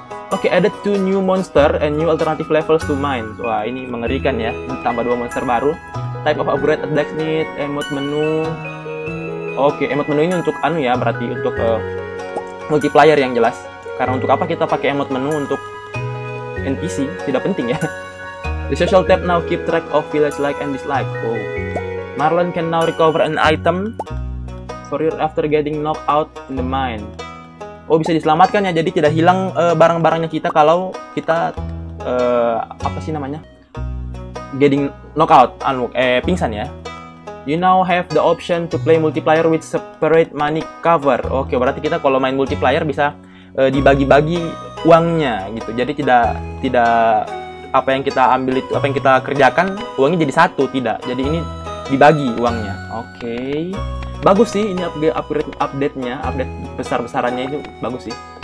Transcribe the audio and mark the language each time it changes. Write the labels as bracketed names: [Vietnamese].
[English] Okay, added two new monster and new alternative levels to mine. [Indonesian] Wah, ini mengerikan ya, ditambah dua monster baru. [English] Type of upgrade, attack need, emote menu. [Indonesian] Okay, emote menu ini untuk anu ya, berarti untuk multiplayer yang jelas. Karena untuk apa kita pakai emote menu untuk NPC, tidak penting ya. [English] The social tab now keep track of village like and dislike. Oh, Marlon can now recover an item for you after getting knocked out in the mine. [Indonesian] Oh, bisa diselamatkan ya, jadi tidak hilang barang-barangnya kita kalau kita apa sih namanya, [English] getting knocked out, [Indonesian] pingsan ya. [English] You now have the option to play multiplayer with separate money cover. [Indonesian] Okay, berarti kita kalau main multiplayer bisa dibagi-bagi uangnya gitu. Jadi tidak apa yang kita ambil itu, apa yang kita kerjakan, uangnya jadi satu, tidak. Jadi ini dibagi uangnya. Okay. Bagus sih ini update-nya, update besar-besarannya itu bagus sih.